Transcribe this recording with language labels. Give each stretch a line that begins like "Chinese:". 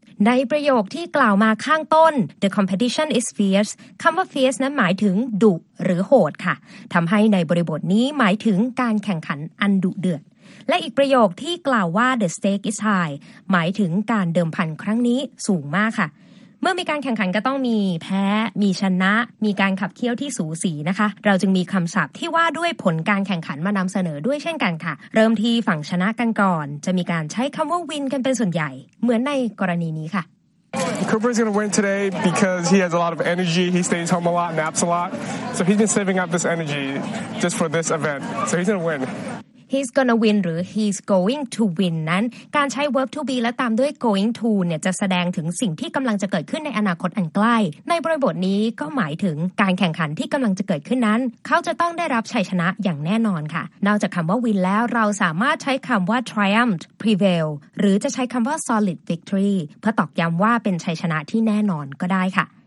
Thai: ในประโยคที่กล่าวมาข้างต้น
English: The competition is fierce
Thai: คำว่า fierce นั้นหมายถึงดุหรือโหดค่ะทำให้ในบริบทนี้หมายถึงการแข่งขันอันดุเดือดและอีกประโยคที่กล่าวว่า
English: The stake is high
Thai: หมายถึงการเดิมพันครั้งนี้สูงมากค่ะ เมื่อมีการแข่งขันก็ต้องมีแพ้มีชนะมีการขับเคี่ยวที่สูสีนะคะเราจึงมีคำศัพท์ที่ว่าด้วยผลการแข่งขันมานำเสนอด้วยเช่นกันค่ะเริ่มที่ฝั่งชนะกันก่อนจะมีการใช้คำว่า win กันเป็นส่วนใหญ่เหมือนในกรณีนี้ค่ะ
English: Cooper is going to win today because he has a lot of energy. He stays home a lot, naps a lot. So he's been saving up this energy just for this event. So he's going to win. He's going to win
Thai: หรือ
English: he's going to win
Thai: นั้นการใช้ verb to be และตามด้วย going to เนี่ยจะแสดงถึงสิ่งที่กำลังจะเกิดขึ้นในอนาคตอันใกล้ในบริบทนี้ก็หมายถึงการแข่งขันที่กำลังจะเกิดขึ้นนั้นเขาจะต้องได้รับชัยชนะอย่างแน่นอนค่ะนอกจากคำว่า win แล้วเราสามารถใช้คำว่า triumph prevail หรือจะใช้คำว่า solid victory เพื่อตอกย้ำว่าเป็นชัยชนะที่แน่นอนก็ได้ค่ะ